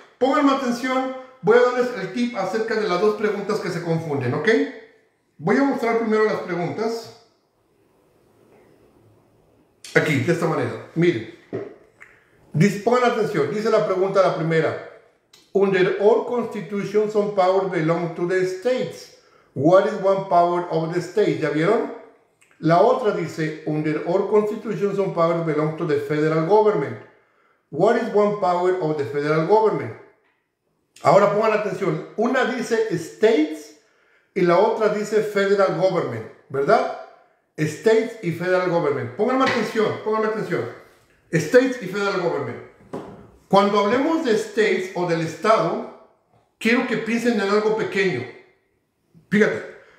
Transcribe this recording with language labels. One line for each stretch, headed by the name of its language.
Spanish: Pónganme atención. Voy a darles el tip acerca de las dos preguntas que se confunden. ¿Ok? Voy a mostrar primero las preguntas. Aquí, de esta manera, miren, pongan atención, dice la pregunta la primera.
English: Under all constitutions, some power belong to the states. What is one power of the state?
Spanish: ¿Ya vieron? La otra dice,
English: under all constitutions, some power belong to the federal government. What is one power of the federal government?
Spanish: Ahora pongan atención, una dice states y la otra dice federal government, ¿verdad? States y Federal Government. Pónganme atención. States y Federal Government. Cuando hablemos de States o del Estado, quiero que piensen en algo pequeño. Fíjate.